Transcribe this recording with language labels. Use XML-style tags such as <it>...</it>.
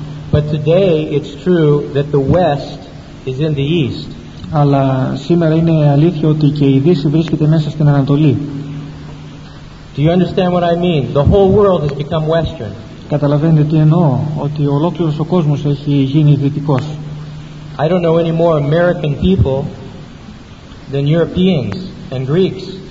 <en>But today it's true that the West is in the East.</en> <el>Αλλά σήμερα είναι αλήθεια ότι και η Δύση βρίσκεται μέσα στην Ανατολή.</el> <en>Do you understand what I mean? The whole world has become Western.</en> <el>Καταλαβαίνετε τι εννοώ, ότι ολόκληρος ο κόσμος έχει γίνει δυτικός.</el> <en>I don't know any more American people than Europeans and Greeks.</en>